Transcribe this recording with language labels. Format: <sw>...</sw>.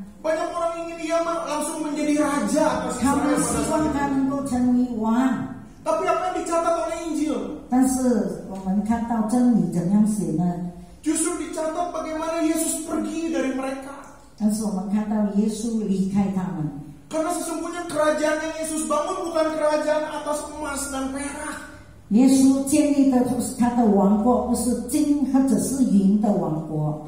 <id>Banyak orang ingin dia langsung menjadi raja. Kami</id> <zh>希望他能够成为王。</zh> <id>Tapi apa yang dicatat oleh Injil?</id> <zh>但是我们看到真理怎样写呢？</zh> <id>Justru dicatat bagaimana Yesus pergi dari mereka.</id> <zh>但是我们看到耶稣离开他们。</zh> <id>Karena sesungguhnya kerajaan yang Yesus bangun bukan kerajaan atas emas dan perak.</id> <zh>Yesus 建立的他的王国不是金或者是银的王国。</zh>